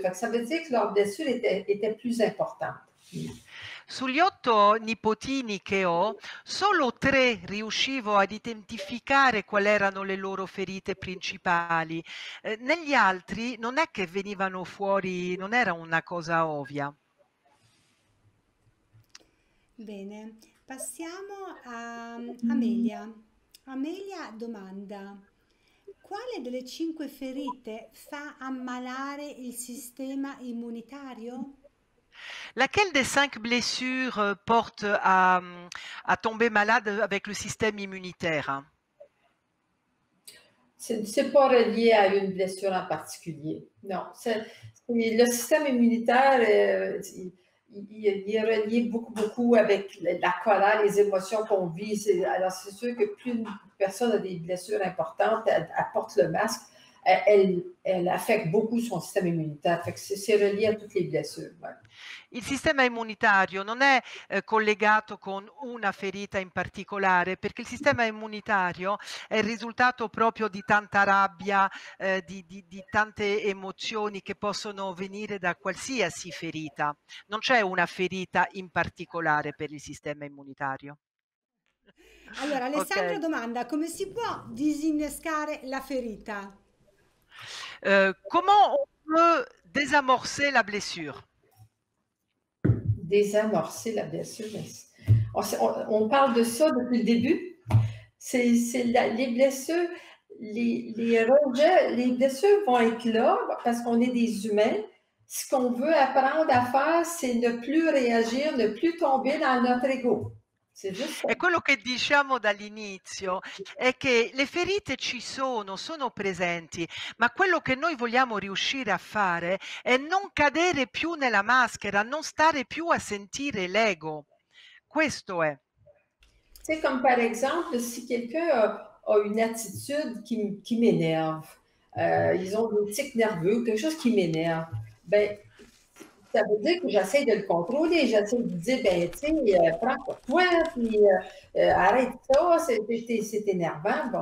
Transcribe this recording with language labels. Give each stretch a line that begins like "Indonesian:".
French: Fait que ça veut dire que leurs blessures étaient plus importantes.
Italian: Sugli 8 nipotini che ho, solo 3 riuscivo ad identificare quali erano le loro ferite principali. Negli altri non è che venivano fuori, non era una cosa ovvia. Bene, passiamo a Amelia. Amelia domanda: quale delle 5 ferite fa ammalare il sistema immunitario?
French: Laquelle des 5 blessures porte à tomber malade avec le système immunitaire? Ce n'est pas relié à une blessure en particulier. Non, le système immunitaire il est relié beaucoup, beaucoup avec la colère, les émotions qu'on vit. Alors c'est sûr que plus une personne a des blessures importantes, elle porte le masque, elle affecte beaucoup son système immunitaire. Fait que c'est relié à toutes les blessures. Ouais.
Italian: Il sistema immunitario non è collegato con una ferita in particolare, perché il sistema immunitario è il risultato proprio di tanta rabbia, di tante emozioni che possono venire da qualsiasi ferita. Non c'è una ferita in particolare per il sistema immunitario. Allora, Alessandro okay. domanda: come si può disinnescare la ferita? Come può
French: disamorcer la blessure? Désamorcer la blessure. On parle de ça depuis le début. Les blessures, les rejets, les blessures vont être là parce qu'on est des humains. Ce qu'on veut apprendre à faire, c'est ne plus réagir, ne plus tomber dans notre ego.
Italian: E quello che diciamo dall'inizio è che le ferite ci sono, sono presenti, ma quello che noi vogliamo riuscire a fare è non cadere più nella maschera, non stare più a sentire l'ego. Questo è.
French: C'est comme par exemple, si quelqu'un a une attitude qui m'énerve, ils ont un tic nerveux, quelque chose qui m'énerve, ben. Ça veut dire que j'essaie de le contrôler, j'essaie de dire, ben, tu sais, prends pour toi, puis arrête ça, c'est énervant.